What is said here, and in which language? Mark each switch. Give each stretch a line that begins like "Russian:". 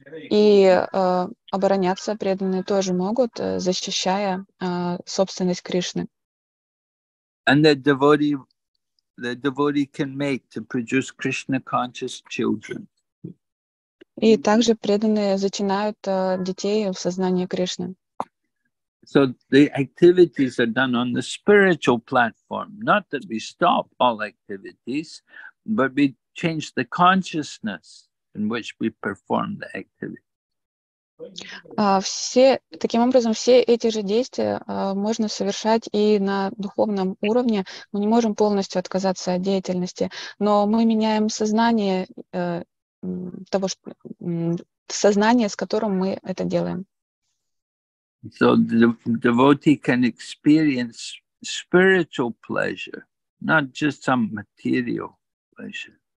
Russian: И обороняться преданные тоже могут, защищая собственность Кришны.
English: And the devotee can mate to produce Krishna conscious children.
Russian: И также преданные зачинают детей в сознании Кришны.
English: So the activities are done on the spiritual platform. Not that we stop all activities, but we change the consciousness in which we perform the activity.
Russian: Таким образом, все эти же действия можно совершать и на духовном уровне. Мы не можем полностью отказаться от деятельности, но мы меняем сознание того, что сознание, с которым мы это делаем.
English: So the devotee can experience spiritual pleasure, not just some material pleasure.